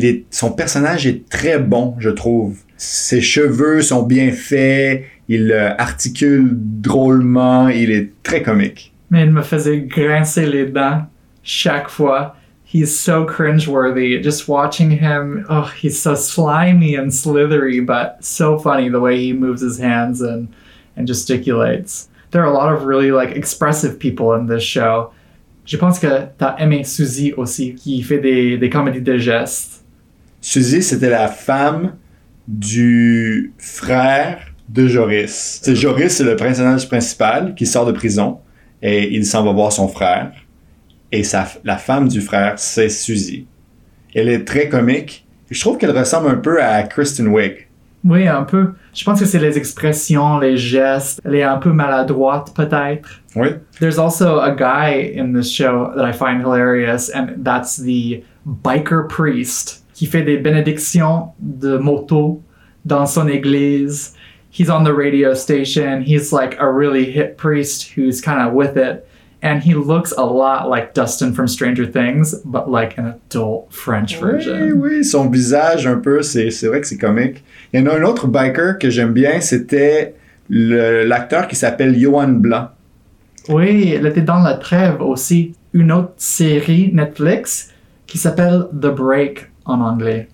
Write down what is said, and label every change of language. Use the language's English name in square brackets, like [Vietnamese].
[French] Son personnage est très bon, je trouve. Ses cheveux sont bien faits, il articule drôlement, il est très comique. Mais il me faisait grincer les dents chaque fois. [English] He's so cringeworthy. Just watching him, oh, he's so slimy and slithery, but so funny the way he moves his hands and gesticulates. There are a lot of really like expressive people in this show. [French] Je pense que t'as aimé Suzy aussi, qui fait des comédies de gestes. Suzy, c'était la femme du frère de Joris. C'est Joris, c'est le personnage principal qui sort de prison et il s'en va voir son frère. Et la femme du frère, c'est Suzy. Elle est très comique. Je trouve qu'elle ressemble un peu à Kristen Wiig. Oui, un peu. Je pense que c'est les expressions, les gestes. Elle est un peu maladroite, peut-être. Oui. [English] There's also a guy in this show that I find hilarious, and that's the biker priest. [French] Qui fait des bénédictions de moto dans son église. [English] He's on the radio station. He's like a really hip priest who's kind of with it. And he looks a lot like Dustin from Stranger Things, but like an adult French version. [French] Oui, oui, son visage un peu, c'est vrai que c'est comique. Il y en a un autre biker que j'aime bien, c'était l'acteur qui s'appelle Johan Blanc. Oui, il était dans La Trêve aussi. Une autre série Netflix qui s'appelle The Break en anglais.